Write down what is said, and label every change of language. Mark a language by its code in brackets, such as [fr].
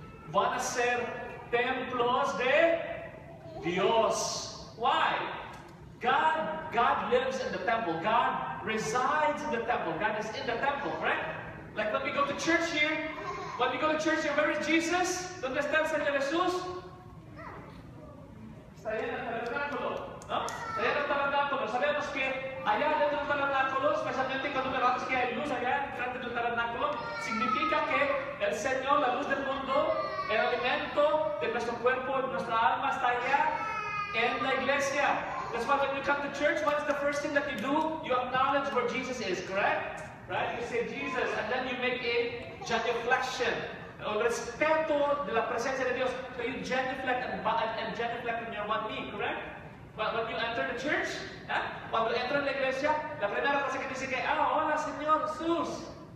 [es] Van a ser templos de Dios. [en] Why? God lives in the temple. God resides in the temple. God is in the temple, right? Like when we go to church here, when we go to church here, where is Jesus? [es] ¿Dónde está el Señor Jesús? Está ahí en el tabernáculo, ¿no? Está ahí en el tabernáculo. Sabemos que allá dentro del tabernáculo, especialmente cuando vemos que hay luz allá frente del tabernáculo, significa que el Señor, la luz del mundo, el alimento de nuestro cuerpo, de nuestra alma, está allá en la iglesia. [en] That's why when you come to church, what is the first thing that you do? You acknowledge where Jesus is, correct? Right? You say Jesus, and then you make a genuflection. [es] El respeto de la presencia de Dios. [en] So you genuflect and genuflect in your one knee, correct? But when you enter the church, [es] cuando entra en la iglesia, la primera cosa que dice que, ah, hola, Señor Jesús.